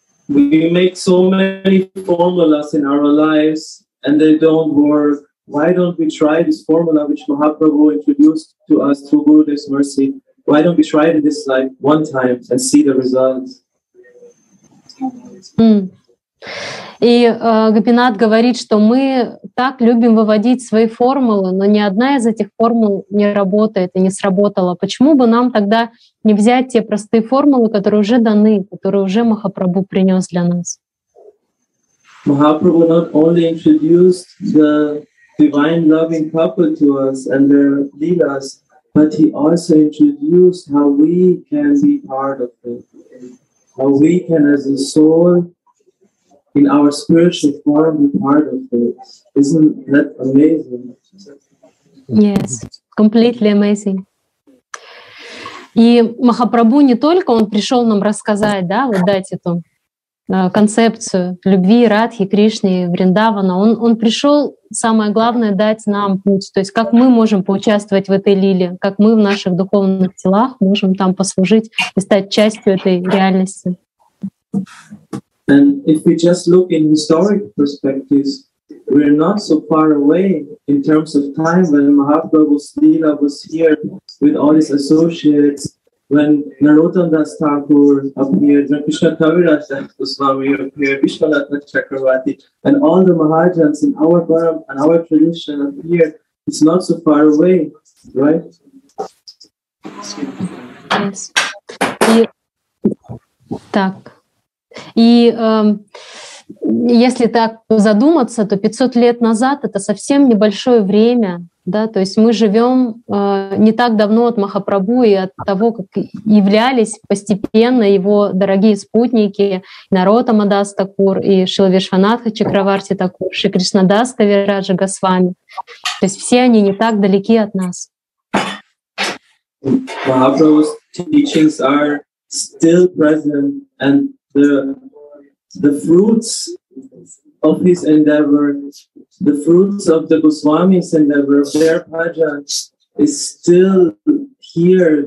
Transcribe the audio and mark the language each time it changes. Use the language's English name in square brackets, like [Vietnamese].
[English] We make so many formulas in our lives and they don't work. Why don't we try this formula which Mahaprabhu introduced to us through Gurudev's mercy? Why don't we try it in this life one time and see the results? [Russian] И Гопинат говорит, что мы так любим выводить свои формулы, но ни одна из этих формул не работает и не сработала. Почему бы нам тогда не взять те простые формулы, которые уже даны, которые уже Махапрабху принес для нас? [English] Махапрабху not only introduced the divine loving couple to us and their leaders, but he also introduced how we can be part of it, how we can as a soul in our spiritual form be part of this. Isn't that amazing? Yes, completely amazing. [Russian] И Махапрабху не только он пришел нам рассказать, да, вот дать эту концепцию любви Радхи, Кришны, Вриндавана. Он пришел, самое главное, дать нам путь, то есть как мы можем поучаствовать в этой лиле, как мы в наших духовных телах можем там послужить и стать частью этой реальности. [English] And if we just look in historic perspectives, we're not so far away in terms of time when Mahaprabhu's Leela was here with all his associates, when Narottam Das Thakur appeared, when Krishna Kaviraj Das Goswami appeared, Vishwanatha Chakravarti, and all the Mahajans in our Param and our tradition appeared, it's not so far away, right? Yes. [Russian] Так. И если так задуматься, то 500 лет назад — это совсем небольшое время, да, то есть мы живем не так давно от Махапрабху и от того, как являлись постепенно его дорогие спутники Наротама Дас Такур и Шрила Вишванатха Чакраварти Такур, Шри Кришнадас Кавираджа Госвами. То есть все они не так далеки от нас. [English] Махапрабху's teachings are still present and the fruits of his endeavor, the fruits of the Goswami's endeavor, their bhajan is still here.